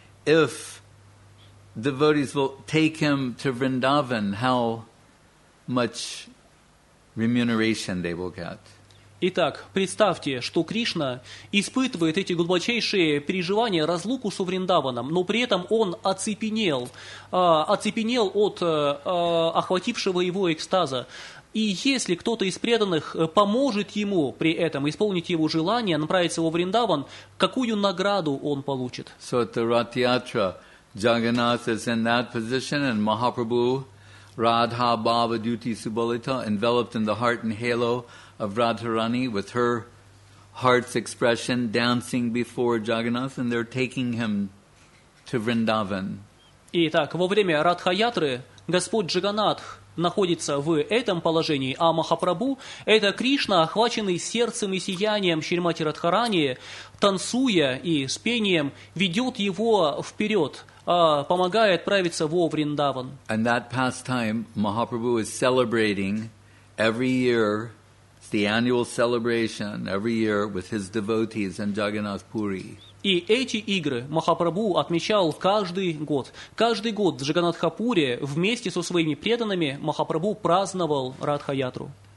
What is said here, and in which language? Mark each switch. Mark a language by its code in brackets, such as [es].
[en] If devotees will take him to Vrindavan, how much remuneration they will get. [ru] Итак, представьте, что Кришна испытывает эти глубочайшие переживания, разлуку со Вриндаваном, но при этом он оцепенел от охватившего его экстаза. И если кто-то из преданных поможет ему при этом исполнить его желание, направиться во Вриндаван, какую награду он получит? [en] So at the Ratyatra, Jagannath is in that position, and Mahaprabhu, Radha Bhava Duti Subalita, enveloped in the heart and halo of Radharani, with her heart's expression dancing before Jagannath, and they're taking him to Vrindavan. [ru] Итак, во время Радха-ятры Господь Джаганнатх находится в этом положении, а Махапрабху – это Кришна, охваченный сердцем и сиянием Шримати Радхарани, танцуя и с пением, ведет его вперед, помогая отправиться во Вриндаван. [en] And that pastime Mahaprabhu is celebrating every year, it's the annual celebration every year with his devotees in Jagannath Puri. [ru] И эти игры Махапрабху отмечал каждый год. Каждый год в Джаганатхапуре вместе со своими преданными Махапрабху праздновал Радха-ятру.